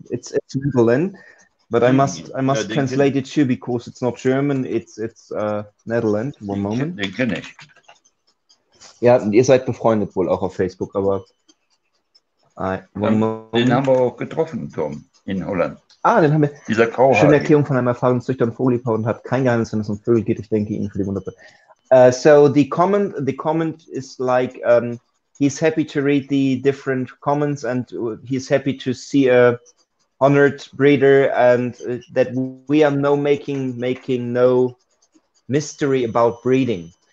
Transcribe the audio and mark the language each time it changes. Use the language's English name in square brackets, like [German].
[English] It's Netherlands, but I must translate it too because it's not German. It's Netherlands. One moment. [German] Den kenne ich. Ja, und ihr seid befreundet wohl auch auf Facebook, aber den haben wir auch getroffen, Tom, in Holland. Ah, den haben wir. Dieser Grauhaar. Schöne Erklärung von einem erfahrenen Züchter und Vogelliebhaber und hat kein Geheimnis, wenn es um Vögel geht. Ich denke Ihnen für die Wunderbar. [English] So the comment is like he's happy to read the different comments and he's happy to see a honored breeder and that we are no making no mystery about breeding.